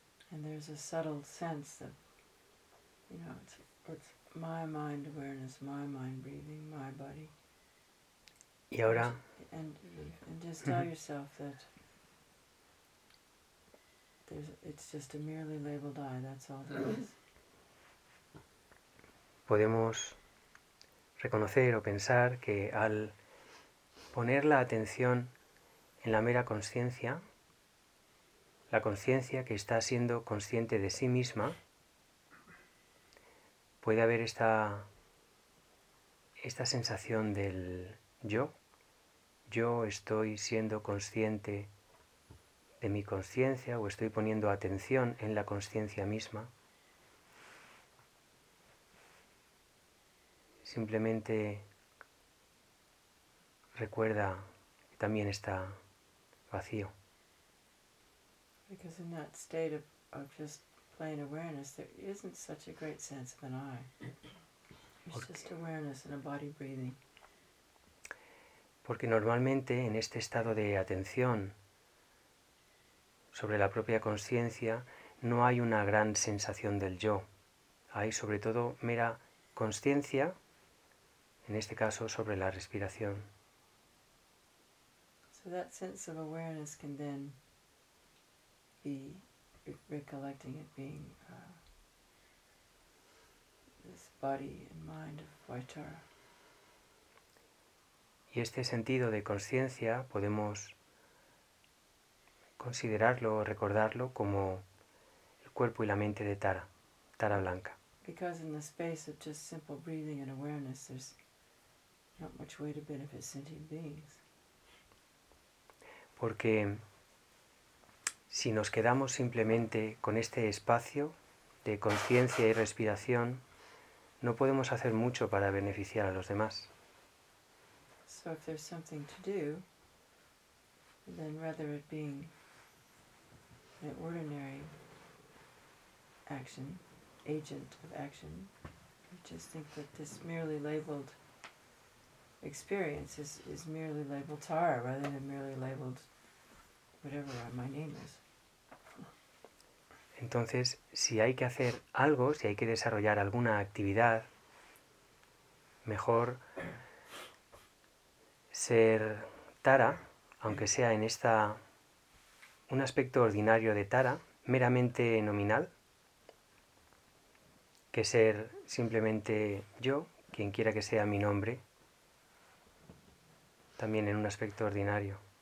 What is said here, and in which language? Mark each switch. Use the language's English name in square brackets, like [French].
[English] And there's a subtle sense that, you know, it's my mind awareness, my mind breathing, my body. [Spanish] Y ahora. [English] And just tell yourself that it's just a merely labeled I, that's all there is. [Spanish] Podemos reconocer o pensar que al poner la atención en la mera conciencia, la conciencia que está siendo consciente de sí misma, puede haber esta sensación del yo. Yo estoy siendo consciente de mi conciencia o estoy poniendo atención en la conciencia misma. Simplemente recuerda que también está vacío. [English] Because in that state of just plain awareness, there isn't such a great sense of an I. It's just awareness and a body breathing. [Spanish] Porque normalmente en este estado de atención sobre la propia conciencia no hay una gran sensación del yo. Hay sobre todo mera conciencia, en este caso sobre la respiración. [English] So that sense of awareness can then be recollecting it being this body and mind of Vaitara. [Spanish] Y este sentido de conciencia podemos considerarlo o recordarlo como el cuerpo y la mente de Tara, Tara Blanca. [English] Because in the space of just simple breathing and awareness, there's not much way to benefit sentient beings. [Spanish] Porque si nos quedamos simplemente con este espacio de conciencia y respiración, no podemos hacer mucho para beneficiar a los demás. [English] So if there's something to do, then rather it being an ordinary action, agent of action, I just think that this merely labeled experience is merely labeled Tara rather than merely labeled whatever my name is. [Spanish] Entonces, si hay que hacer algo, si hay que desarrollar alguna actividad, mejor ser Tara, aunque sea en esta un aspecto ordinario de Tara, meramente nominal, que ser simplemente yo, quien quiera que sea mi nombre, también en un aspecto ordinario.